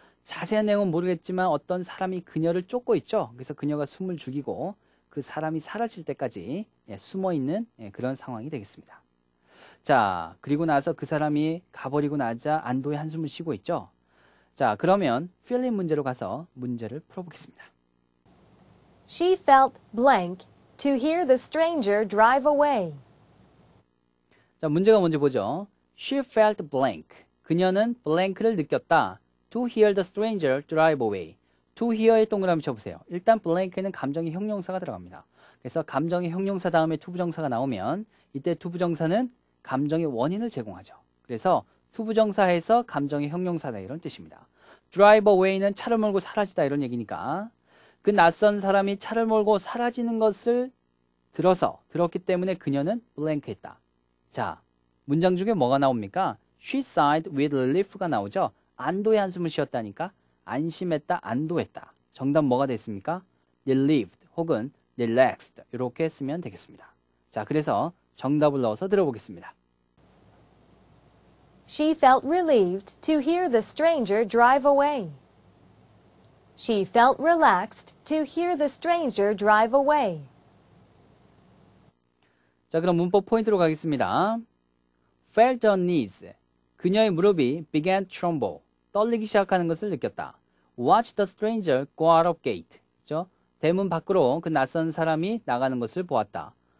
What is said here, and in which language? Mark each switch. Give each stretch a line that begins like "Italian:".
Korean: 자세한 내용은 모르겠지만 어떤 사람이 그녀를 쫓고 있죠? 그래서 그녀가 숨을 죽이고 그 사람이 사라질 때까지 숨어있는 그런 상황이 되겠습니다. 자, 그리고 나서 그 사람이 가버리고 나자 안도의 한숨을 쉬고 있죠. 자, 그러면 fill-in 문제로 가서 문제를 풀어보겠습니다.
English: She felt blank to hear the stranger drive away.
Korean: 자, 문제가 뭔지 보죠.
English: She felt blank.
Korean: 그녀는 blank를 느꼈다.
English: To hear the stranger drive away. To hear의
Korean: 동그라미 쳐보세요. 일단 blank에는 감정의 형용사가 들어갑니다. 그래서 감정의 형용사 다음에 to 부정사가 나오면 이때 to 부정사는 감정의 원인을 제공하죠. 그래서 to 부정사에서 감정의 형용사다 이런 뜻입니다. Drive away는 차를 몰고 사라지다 이런 얘기니까 그 낯선 사람이 차를 몰고 사라지는 것을 들었기 때문에 그녀는 blank했다. 자, 문장 중에 뭐가 나옵니까?
English: She sighed with relief가
Korean: 나오죠. 안도의 한숨을 쉬었다니까 안심했다, 안도했다. 정답 뭐가 됐습니까? Relieved 혹은 relaxed 이렇게 쓰면 되겠습니다. 자, 그래서 정답을 넣어서 들어보겠습니다.
English: She felt relieved to hear the stranger drive away. She felt relaxed to hear the stranger drive away.
Korean: 자, 그럼 문법 포인트로 가겠습니다.
English: Felt her knees.
Korean: 그녀의 무릎이
English: began to tremble.
Korean: 떨리기 시작하는 것을 느꼈다.
English: Watch the stranger go out of gate.
Korean: 그렇죠? 대문 밖으로 그 낯선 사람이 나가는 것을 보았다.